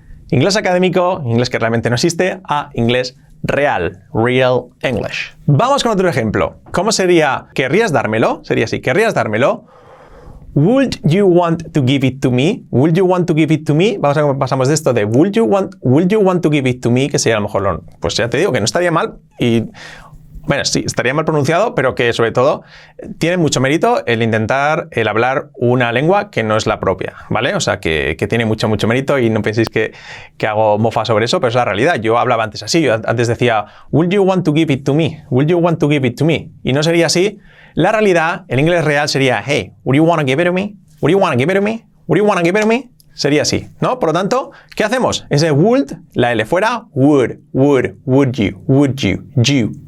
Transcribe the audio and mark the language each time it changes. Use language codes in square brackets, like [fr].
[es] Inglés académico, inglés que realmente no existe, a inglés real, [en] real English. [es] Vamos con otro ejemplo. ¿Cómo sería, querrías dármelo? Sería así, querrías dármelo. [en] Would you want to give it to me? Would you want to give it to me? [es] Vamos a ver cómo pasamos de esto de [en] would you want to give it to me, [es] que sería a lo mejor lo, pues ya te digo que no estaría mal y bueno, sí, estaría mal pronunciado, pero que sobre todo tiene mucho mérito el intentar el hablar una lengua que no es la propia, ¿vale? O sea, que tiene mucho, mucho mérito y no penséis que hago mofa sobre eso, pero es la realidad. Yo hablaba antes así, yo antes decía, [en] would you want to give it to me? Would you want to give it to me? [es] Y no sería así. La realidad, el inglés real sería, [en] hey, would you want to give it to me? Would you want to give it to me? Would you want to give it to me? [es] Sería así, ¿no? Por lo tanto, ¿qué hacemos? Ese would, la L fuera, [en] would you.